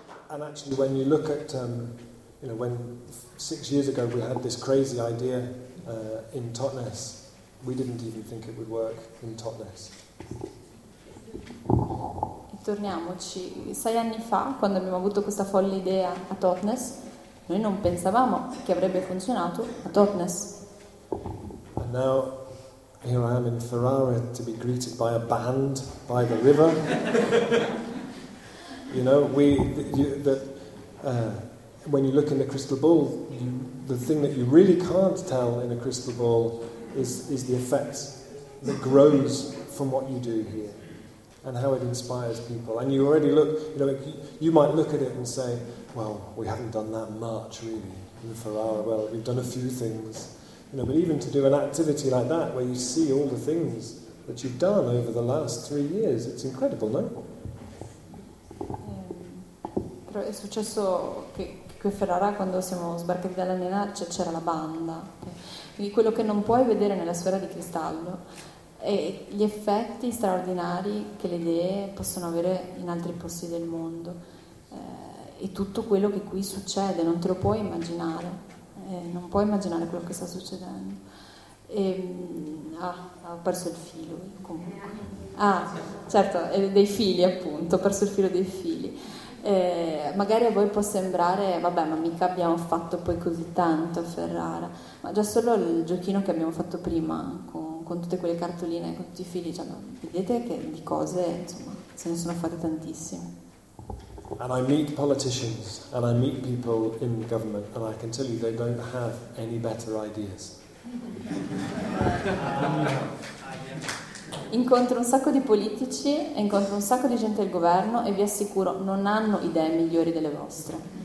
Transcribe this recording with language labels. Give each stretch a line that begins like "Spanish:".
English: And actually, when you look at, when 6 years ago we had this crazy idea in Totnes, we didn't even think it would work in Totnes.
Italian: Torniamoci, 6 anni fa, quando abbiamo avuto questa folle idea a Totnes, noi non pensavamo che avrebbe funzionato a Totnes.
English: And now, here I am in Ferrara to be greeted by a band by the river. You know, when you look in the crystal ball, the thing that you really can't tell in a crystal ball is the effect that grows from what you do here and how it inspires people. And you already look, you might look at it and say, well, we haven't done that much really in Ferrara. Well, we've done a few things, but even to do an activity like that where you see all the things that you've done over the last 3 years, it's incredible, no?
Italian: Però è successo che qui a Ferrara, quando siamo sbarcati dalla Nena, c'era la banda. Quindi quello che non puoi vedere nella sfera di cristallo è gli effetti straordinari che le idee possono avere in altri posti del mondo. E tutto quello che qui succede, non te lo puoi immaginare. Non puoi immaginare quello che sta succedendo. Ho perso il filo, comunque. Ah, certo, dei fili, appunto. Ho perso il filo dei fili. Magari a voi può sembrare, vabbè, ma mica abbiamo fatto poi così tanto a Ferrara, ma già solo il giochino che abbiamo fatto prima con tutte quelle cartoline, con tutti i fili, vedete che di cose, insomma, se ne sono fatte tantissime.
English: And I meet politicians and I meet people in the government and I can tell you they don't have any better ideas.
Italian: Incontro un sacco di politici e incontro un sacco di gente del governo e vi assicuro non hanno idee migliori delle vostre.